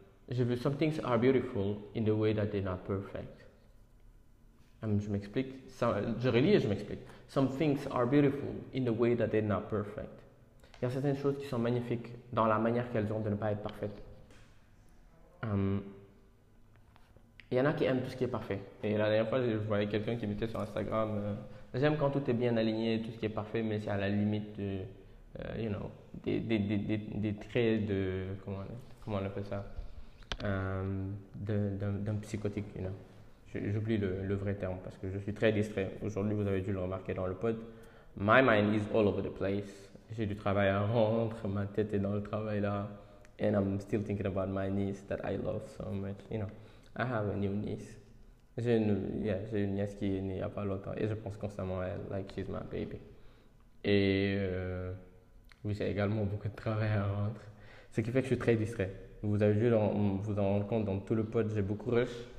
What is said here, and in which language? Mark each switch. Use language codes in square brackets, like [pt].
[fr] J'ai vu [en] some things are beautiful in the way that they're not perfect. [fr] Je m'explique, je relis et je m'explique. [en] Some things are beautiful in the way that they're not perfect. [fr] Il y a certaines choses qui sont magnifiques dans la manière qu'elles ont de ne pas être parfaites. Il y en a qui aiment tout ce qui est parfait. Et la dernière fois, je voyais quelqu'un qui mettait sur Instagram j'aime quand tout est bien aligné, tout ce qui est parfait, mais c'est à la limite de, [en] you know, [fr] des traits de. Comment on appelle ça d'un psychotique, [en] you know. [fr] J'oublie le vrai terme parce que je suis très distrait. Aujourd'hui, vous avez dû le remarquer dans le pod. [en] My mind is all over the place. [fr] J'ai du travail à rendre. Ma tête est dans le travail là. [en] And I'm still thinking about my niece that I love so much. You know, I have a new niece. [fr] J'ai une nièce qui est née il n'y a pas longtemps. Et je pense constamment à elle. [en] Like, she's my baby. [fr] Et oui, j'ai également beaucoup de travail à rendre. Ce qui fait que je suis très distrait. Vous avez dû vous en rendre compte dans tout le pod. J'ai beaucoup rush.